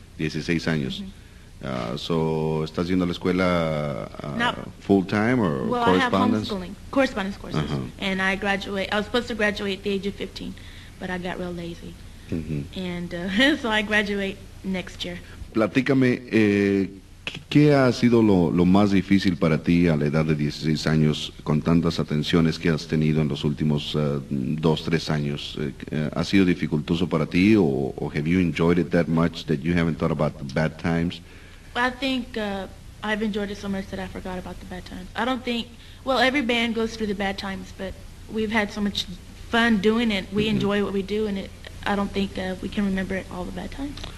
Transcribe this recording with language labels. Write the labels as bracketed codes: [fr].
[es] 16 años. So, ¿estás yendo a la escuela [en] Now, full time or well, I have correspondence? homeschooling, correspondence courses, and I was supposed to graduate at the age of 15, but I got real lazy, and so I graduate next year. [es] Platícame, ¿qué ha sido lo más difícil para ti a la edad de 16 años con tantas atenciones que has tenido en los últimos 2-3 años? ¿Ha sido dificultoso para ti o [en] have you enjoyed it that much that you haven't thought about the bad times? I think I've enjoyed it so much that I forgot about the bad times. I don't think, well, every band goes through the bad times, but we've had so much fun doing it. We enjoy what we do, and I don't think we can remember all the bad times.